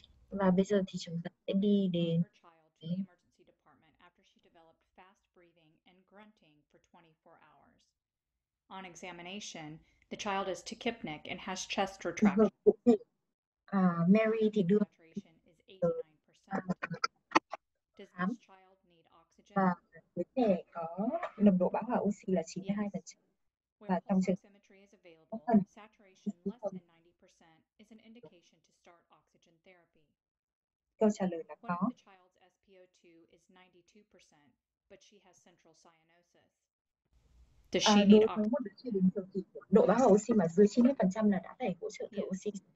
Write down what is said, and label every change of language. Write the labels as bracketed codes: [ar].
[vi] Và bây giờ thì chúng ta sẽ đi đến [en] the emergency department after she developed fast breathing and grunting for 24 hours. On examination, the child is tachypneic and has chest retraction. [vi] Mary thì đưa [en] saturation is 89%. Does this child need oxygen? [vi] Và đứa trẻ có nồng độ bão hỏa oxy là 92%. Và trong trường hợp [en] oxygen is available, saturation less than 90% is an indication to start oxygen therapy. [vi] Câu trả lời là có. [en] The child's SpO2 is 92%, but she has central cyanosis. Does she need [vi] độ bão hỏa oxy mà dưới 90% là đã phải hỗ trợ thở oxy.